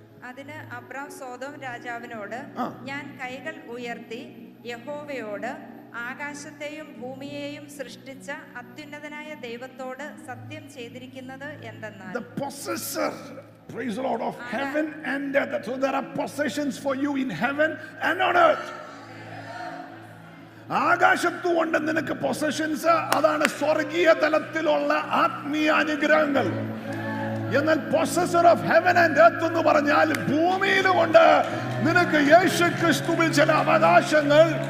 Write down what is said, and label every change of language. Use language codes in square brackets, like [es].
[ml] അതിനെ Abraham Sodom രാജാവിനോട് ഞാൻ കൈകൾ ഉയർത്തി യഹോവയോട് ആകാശത്തെയും ഭൂമിയെയും സൃഷ്ടിച്ച അത്യുന്നതനായ ദൈവത്തോട് സത്യം ചെയ്തിരിക്കുന്നത് എന്തെന്നാൽ. [en] The possessor. Praise the Lord of heaven and earth. So there are possessions for you in heaven and on earth. [ml] ആകാശത്തു ഉണ്ട് നിനക്ക് പൊസഷൻസ്, അതാണ് സ്വർഗീയ തലത്തിലുള്ള ആത്മീയ അനുഗ്രഹങ്ങൾ. എന്നാൽ [en] possessor of heaven and earth [ml] എന്ന് പറഞ്ഞാൽ ഭൂമിയിലും ഉണ്ട് നിനക്ക് യേശു ക്രിസ്തുവിൽ ചില അവകാശങ്ങൾ.